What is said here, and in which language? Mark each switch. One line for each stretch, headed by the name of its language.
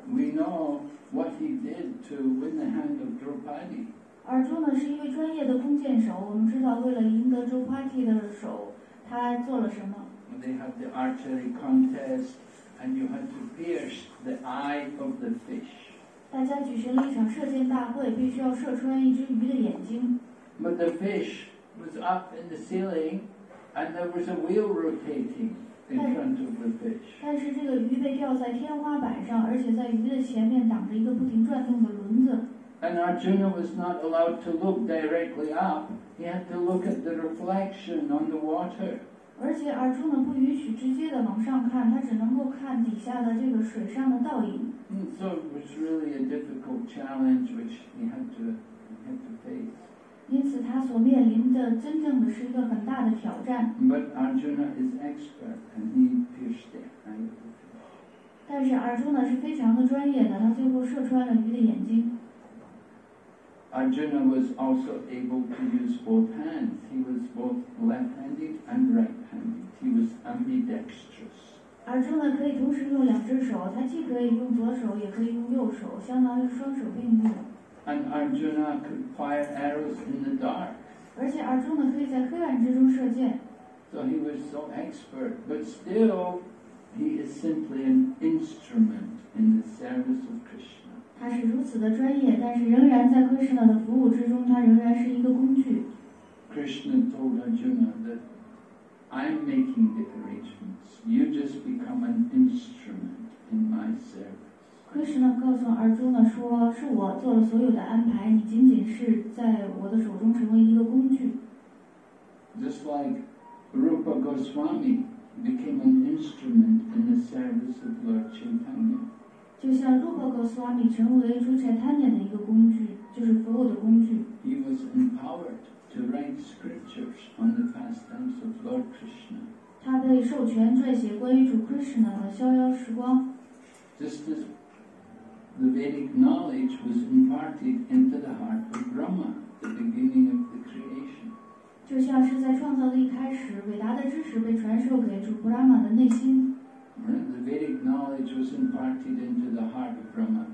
English: We know what he did to win the hand of Draupadi.
Chinese: Arjuna 是一位专业的弓箭手，我们知道为了赢得 Draupadi 的手，他做了什么。
English: They had the archery contest, and you had to pierce the eye of the fish.
Chinese: 大家举行了一场射箭大会，必须要射穿一只鱼的眼睛。
English: But the fish. Was up in the ceiling, and there was a wheel rotating in front of the fish.
Chinese: 但是这个鱼被吊在天花板上，而且在鱼的前面挡着一个不停转动的轮子。
English: And Arjuna was not allowed to look directly up; he had to look at the reflection on the water.
Chinese: 而且 Arjuna 不允许直接的往上看，他只能够看底下的这个水上的倒影。
English: So it was really a difficult challenge which he had to face.
Chinese: 因此他所面临的真正的是一个很大的挑战。
English: But Arjuna is expert and he pierced the eye of the fish.
Chinese: 但是 Arjuna 是非常的专业的，他最后射穿了鱼的眼睛。
English: Arjuna was also able to use both hands. He was both left-handed and right-handed. He was ambidextrous.
Chinese: Arjuna 可以同时用两只手，他既可以用左手也可以用右手，相当于双手并用。
English: And Arjuna could fire arrows in the dark.
Chinese: 而且 Arjuna 可以在黑暗之中射箭。
English: So he was so expert, but still, he is simply an instrument in the service of Krishna.
Chinese: 他是如此的专业，但是仍然在 Krishna 的服务之中，他仍然是一个工具。
English: Krishna told Arjuna that I'm making the arrangements. You just become an instrument in my service.
Chinese: Krishna 告诉儿子呢说是我做了所有的安排，你仅仅是在我的手中成为一个工具。
English: Just like Rupa Goswami became an instrument in the service of Lord Chaitanya.
Chinese: 就像 Rupa Goswami 成为朱柴坦尼的一个工具，就是服务的工具。
English: He was empowered to write scriptures on the pastimes of Lord Krishna.
Chinese: 他被授权撰写关于主 Krishna 的逍遥时光。
English: Just as the Vedic knowledge was imparted into the heart of Brahma, the beginning of the creation.
Chinese: 就像是在创造的一开始，伟达的知识被传授给主布拉玛的内心。
English: The Vedic knowledge was imparted into the heart of Brahma.